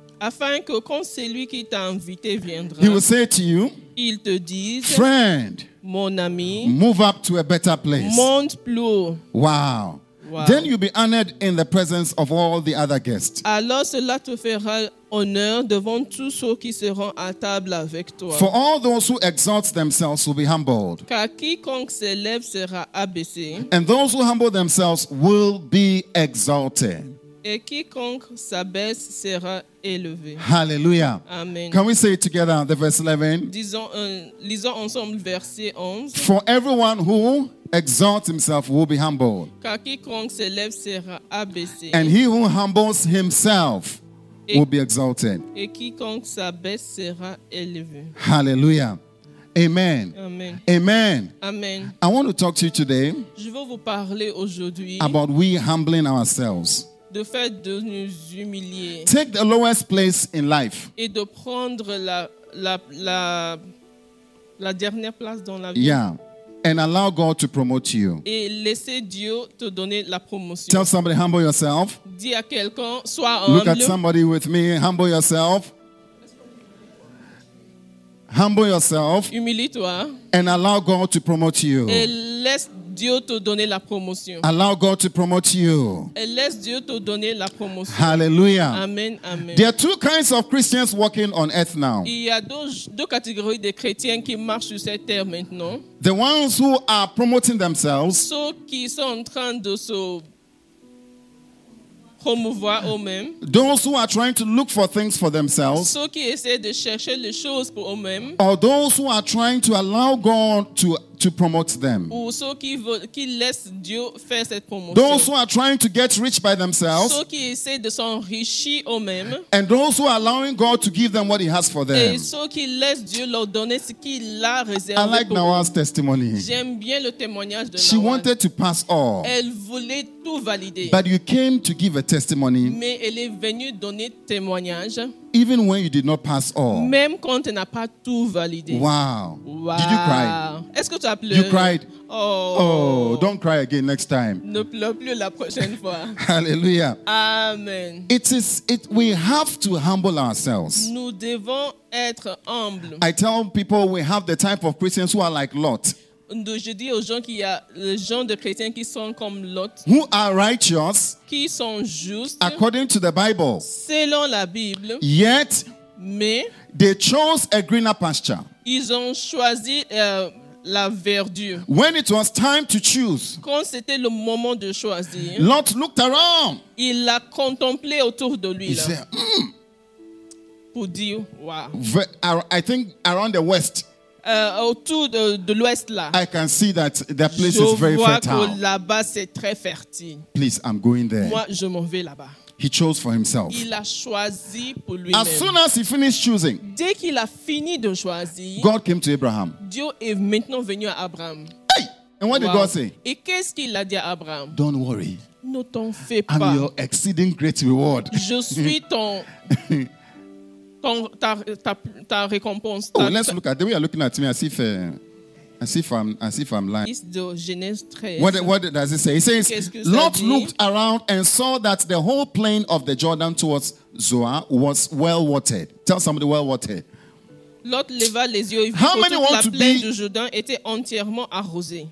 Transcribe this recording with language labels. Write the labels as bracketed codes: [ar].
[fr] afin que quand celui qui t'a invité viendra, [en] he will say to you, [fr] il te dise, [en] friend, [fr] mon ami, [en] move up to a better place. [fr] Monte plus haut. Wow. [en] Then you'll be honored in the presence of all the other guests. [fr] Alors cela te fera honneur devant tous ceux qui seront à table avec toi. [en] For all those who exalt themselves will be humbled. [fr] Car quiconque s'élève sera abaissé. [en] And those who humble themselves will be exalted. [fr] Et quiconque s'abaisse sera élevé. Hallelujah. Amen. [en] Can we say it together, the verse 11? [fr] Lisons ensemble verset 11. [en] For everyone who exalts himself will be humbled. [fr] Car quiconque s'élève sera abaissé. [en] And he who humbles himself will be exalted. [fr] Et quiconque s'abaisse sera élevé. Hallelujah. Amen. Amen. Amen. Amen. [en] I want to talk to you today. [fr] Je veux vous parler aujourd'hui [en] about we humbling ourselves. [fr] De fait de nous humilier. [en] Take the lowest place in life. [fr] Et de prendre la dernière place dans la vie. Yeah. [en] and allow God to promote you. [fr] Et laissez Dieu te donner la promotion. [en] Tell somebody, humble yourself. [fr] Dis à quelqu'un, sois humble. [en] Look at somebody with me, humble yourself. Humble yourself. [fr] Humilie-toi. [en] And allow God to promote you. [fr] Et laisse Dieu te donner la promotion. [en] Allow God to promote you. [fr] Et laisse Dieu te donner la promotion. Hallelujah. Amen, amen. [en] There are two kinds of Christians walking on earth now. [fr] Il y a deux catégories de chrétiens qui marchent sur cette terre maintenant. [en] The ones who are promoting themselves. [fr] Ceux qui sont en train de se promouvoir eux-mêmes. [en] Those who are trying to look for things for themselves. [fr] Ceux qui essaient de chercher les choses pour eux-mêmes. [en] Or those who are trying to allow God to promote them. [fr] Ou ceux qui laissent Dieu faire cette promotion. [en] Those who are trying to get rich by themselves. [fr] Ceux qui essaient de s'enrichir eux-mêmes. [en] And those who are allowing God to give them what He has for them. [fr] Et ceux qui laissent Dieu leur donner ce qu'il a réservé. [en] I like Nawal's testimony. [fr] J'aime bien le témoignage de [en] Nawal. She wanted to pass all. [fr] Elle voulait tout valider. [en] But you came to give a testimony. [fr] Mais elle est venue donner témoignage. [en] Even when you did not pass all. [fr] Même quand tu n'as pas tout validé. Wow. Wow. [en] Did you cry? [fr] Est-ce que tu as pleuré? [en] You cried. Oh. Oh, don't cry again next time. [fr] Ne pleure plus la prochaine fois. Hallelujah. Amen. [en] We have to humble ourselves. [fr] Nous devons être humbles. [en] I tell people we have the type of Christians who are like Lot. [fr] Je dis aux gens qu'il y a le genre de chrétiens qui sont comme Lot. [en] Who are righteous. [fr] Qui sont justes. [en] According to the Bible. [fr] Selon la Bible. [en] Yet. [fr] Mais. [en] They chose a greener pasture. [fr] Ils ont choisi la verdure. [en] When it was time to choose. [fr] Quand c'était le moment de choisir. [en] Lot looked around. [fr] Il a contemplé autour de lui. [en] He said, [fr] pour dire, wow. [en] I think around the west. [fr] Autour de l'ouest là. [en] I can see that the place [fr] je [en] is very [fr] vois [en] fertile. [fr] Que là-bas c'est très fertile. [en] Please, I'm going there. [fr] Moi, je m'en vais là-bas. [en] He chose for himself. [fr] Il a choisi pour lui-même. [en] As soon as he finished choosing. [fr] Dès qu'il a fini de choisir. [en] God came to Abraham. [fr] Dieu est maintenant venu à Abraham. [en] Hey! And what wow. did God say? [fr] Et qu'est-ce qu'il a dit à Abraham? [en] Don't worry. [fr] Ne t'en fais pas. [en] I'm your exceeding great reward. [fr] Je suis ton ta récompense. Ta, [en] oh, let's look at the way you're looking at me as if I'm lying. What does it say? It says, Lot looked around and saw that the whole plain of the Jordan towards Zoar was well watered. Tell somebody well watered. [fr] Lot leva les yeux et vit que toute la plaine du Jourdain était entièrement arrosée.